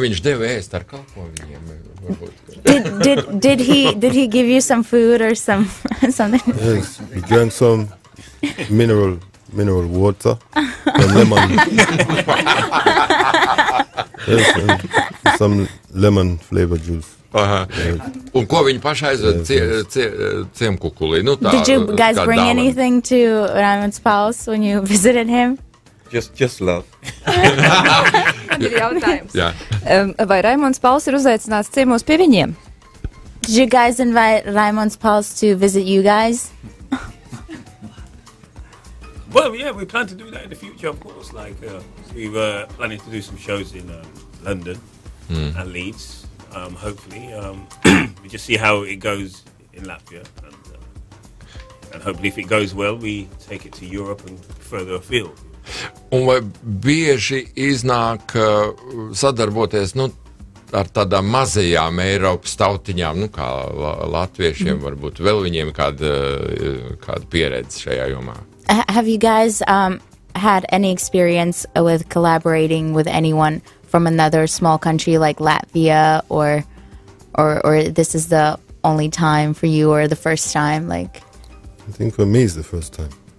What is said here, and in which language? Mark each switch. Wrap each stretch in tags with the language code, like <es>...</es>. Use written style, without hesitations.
<lv>Ko viņš deva ēst ar kalpo viņiem?</lv> <en>did he give you some food or some something? Yes, we drank some mineral water and lemon. Yes, some lemon flavor juice. Uh-huh.</en> <lv>Un ko viņi paši aizved ciemkukulī? Nu, tā,</lv> <en>did you guys bring dāvan? Anything to Raimonds Pauls when you visited him? Just love.</en> <lv>Man ir jautājums.</lv> <en>Yeah.</en> <lv>Vai Raimonds Pauls ir uzaicināts ciemos pie viņiem?</lv> <en>Did you guys invite Raimonds Pauls to visit you guys? Well, yeah, we plan to do that in the future, of course. Like, we were planning to do some shows in London and Leeds, hopefully. we just see how it goes in Latvia. And hopefully if it goes well, we take it to Europe and further afield.</en> <lv>Un vai bieži iznāk sadarboties, nu, ar tādām mazajām Eiropas tautiņām, nu, kā latviešiem, varbūt vēl viņiem kāda pieredze šajā jomā?</lv> <en>Have you guys had any experience with collaborating with anyone from another small country like Latvia, or this is the only time for you, or the first time, like? I think for me it's the first time.</en>